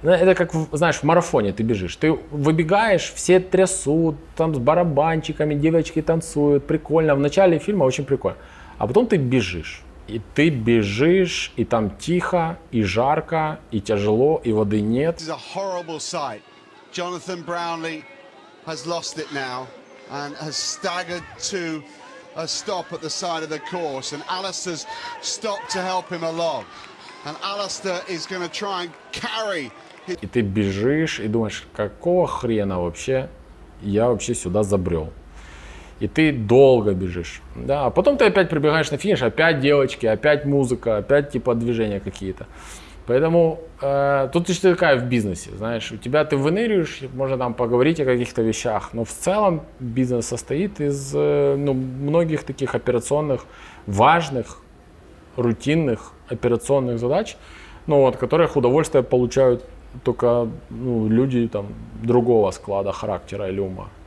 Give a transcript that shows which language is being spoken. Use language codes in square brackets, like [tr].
[ru] Это как, знаешь, в марафоне ты бежишь, ты выбегаешь, все трясут, там с барабанчиками, девочки танцуют, прикольно, в начале фильма очень прикольно. А потом ты бежишь, и ты бежишь, и там тихо, и жарко, и тяжело, и воды нет. Это [en] horrible sight. Jonathan Brownlee has lost it now and has staggered to... A stop at the side of the course, and Alistair's stopped to help him along. And Alistair is going to try and carry. [ru] И ты бежишь и думаешь, какого хрена вообще я вообще сюда забрел? И ты долго бежишь, да. А потом ты опять прибегаешь на финиш, опять девочки, опять музыка, опять типа движения какие-то. Поэтому тут еще такая в бизнесе, знаешь, у тебя ты выныриваешь, можно там поговорить о каких-то вещах, но в целом бизнес состоит из многих таких операционных, важных, рутинных операционных задач, ну, от которых удовольствие получают только люди там, другого склада характера или ума.